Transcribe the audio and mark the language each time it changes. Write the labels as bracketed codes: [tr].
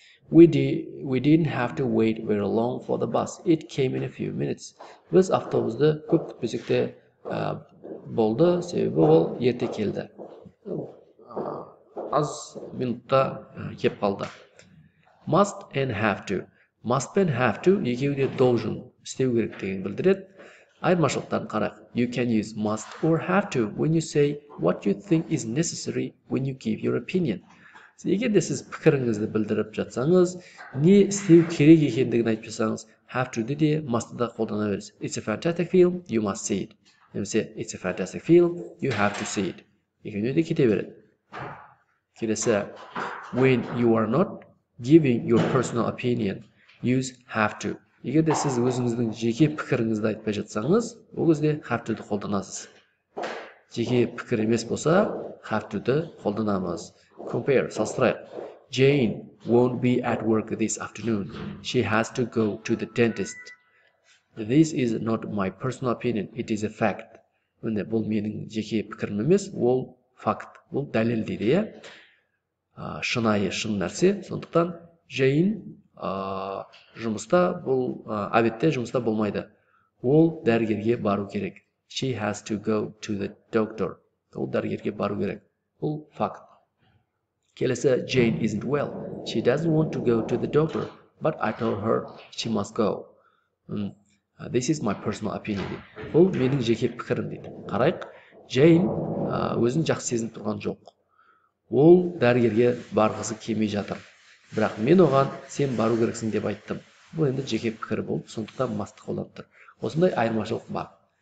[en] We didn't have to wait very long for the bus. It came in a few minutes. [kk] Біз автобусты көп күтпесек те болды, себебі ол ерте келді. Аз минутта кеп қалды. [en] Must and have to. [kk] Must and have to екеуі де должен істеу керек деген білдіреді. Айырмашылықтарын қарайық. [en] You can use must or have to when you say what you think is necessary when you give your opinion. [kk] Егер де сіз пікіріңізді білдіріп жатсаңыз, не істеу керек екендігін айтып жатсаңыз, have to де must да қолдана бересіз. [en] It's a fantastic film, you must see it. Немесе, it's a fantastic film, you have to see it. [kk] Екеуі де кете береді. Келесі, [en] when you are not giving your personal opinion, use have to. [kk] Егер де сіз өзіңіздің жеке пікіріңізді айтпай жатсаңыз, ол кезде have to-ді қолданасыз. Жеке пікір емес болса, have to-ді қолданамыз. [en] Compare, салыстырайық. Jane won't be at work this afternoon. She has to go to the dentist. This is not my personal opinion, it is a fact. [kk] Міне, бұл менің жеке пікірім емес, ол факт. Бұл дәлел дейді, иә? Шынайы шын нәрсе, сондықтан Jane жұмыста бұл әбетте жұмыста болмайды. Ол дәрігерге бару керек. [en] She has to go to the doctor. [kk] Ол дәрігерге бару керек. Бұл факт. Келесі, [en] Jane isn't well. She doesn't want to go to the doctor, but I told her she must go. This is my personal opinion. [kk] Бұл менің жеке пікірім дейді. Қарайық, Jane өзін жақсы сезініп тұрған жоқ. Ол дәрігерге барғысы келмей жатыр. Бірақ мен оған сен бару керексің деп айттым. Бұл енді жеке пікір болып, сондықтан мастық қолданып тұр. Осындай айырмашылық бар.